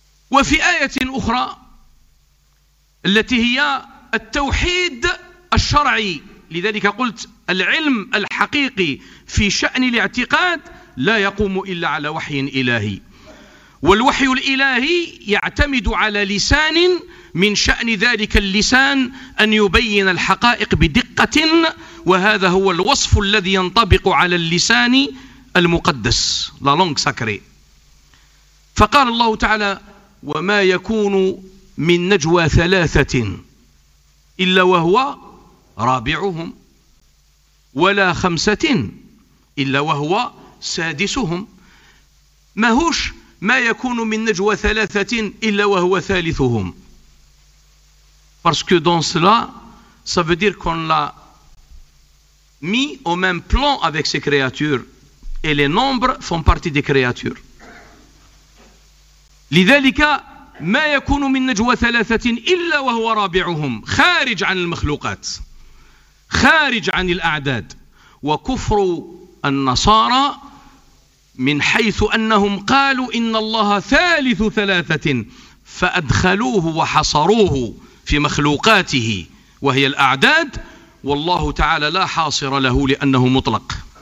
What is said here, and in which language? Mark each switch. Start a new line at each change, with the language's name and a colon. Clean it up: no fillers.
Arabic: وفي آية أخرى التي هي التوحيد الشرعي، لذلك قلت العلم الحقيقي في شأن الاعتقاد لا يقوم إلا على وحي إلهي، والوحي الإلهي يعتمد على لسان من شأن ذلك اللسان أن يبين الحقائق بدقة، وهذا هو الوصف الذي ينطبق على اللسان المقدس لا لونغ ساكري. فقال الله تعالى: وما يكون من نجوى ثلاثة إلا وهو رابعهم، ولا خمسة إلا وهو سادسهم.
French: ما هوش ما يكون من نجوى ثلاثة إلا وهو ثالثهم، parce que dans cela ça veut dire qu'on l'a mis au même plan avec ces créatures et les nombres font partie des créatures.
Arabic: لذلك ما يكون من نجوى ثلاثة إلا وهو رابعهم، خارج عن المخلوقات، خارج عن الأعداد. وكفر النصارى من حيث أنهم قالوا إن الله ثالث ثلاثة فأدخلوه وحصروه في مخلوقاته وهي الأعداد، والله تعالى لا حاصر له لأنه مطلق.